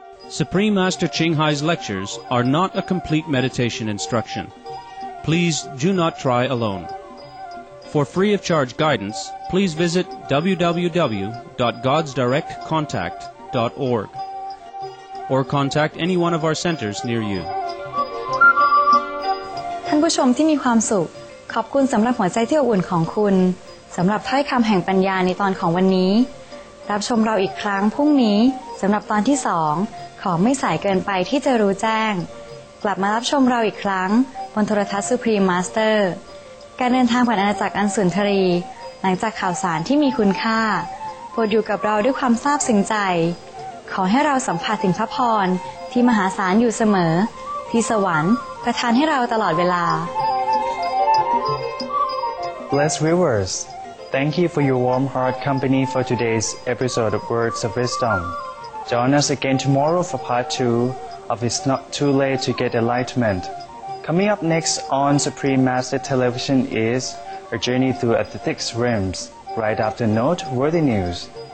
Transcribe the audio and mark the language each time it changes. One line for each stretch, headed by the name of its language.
English: Supreme Master Qinghai's lectures are not a complete meditation instruction. Please do not try alone. For free of charge guidance, please visit www.godsdirectcontact.org or contact any one of our centers near you.
Thai: ท่านผู้ชมที่มีความสุขขอบคุณสำหรับหัวใจที่อบอุ่นของคุณสำหรับถ้อยคำแห่งปัญญาในตอนของวันนี้รับชมเราอีกครั้งพรุ่งนี้สำหรับตอนที่สองขอไม่สายเกินไปที่จะรู้แจ้งกลับมารับชมเราอีกครั้งบนโทรทัศน์ Supreme Master การเดินทางผ่านอาณาจักรอันสุนทรีหลังจากข่าวสารที่มีคุณค่าโปรดอยู่กับเราด้วยความซาบซึ้งใจขอให้เราสัมผัสถึงพระพรที่มหาศาลอยู่เสมอที่สวรรค์ประทานให้เราตลอดเวลา
English: Bless viewers Thank you for your warm heart company for today's episode of Words of WisdomJoin us again tomorrow for part 2 of It's Not Too Late to Get Enlightenment. Coming up next on Supreme Master Television is A Journey Through Aesthetic's Realms, right after Noteworthy News.